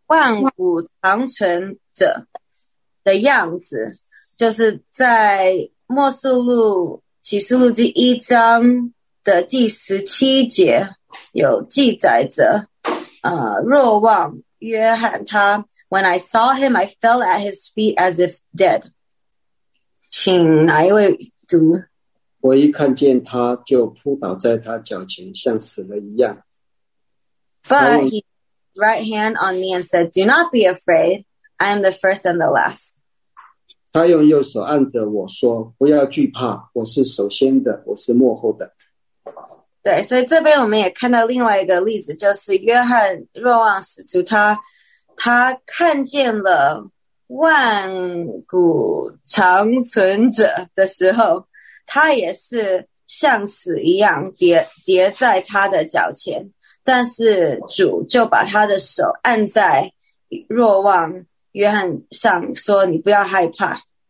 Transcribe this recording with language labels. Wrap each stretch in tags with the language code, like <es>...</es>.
<zh>万古长存者的样子，就是在末世录启示录第一章的第十七节有记载着，若望约翰他</zh> <en>When I saw him I fell at his feet as if dead，</en> <zh>请哪一位读，我一看见他就扑倒在他脚前像死了一样，</zh> <en>But he right hand on me and said do not be afraid I am the first and the last，</en> <zh>他用右手按着我说不要惧怕，我是首先的，我是末后的。对，所以这边我们也看到另外一个例子，就是约翰若望使徒他看见了万古长存者的时候，他也是像死一样 跌在他的脚前，但是主就把他的手按在若望约翰上说你不要害怕。</zh>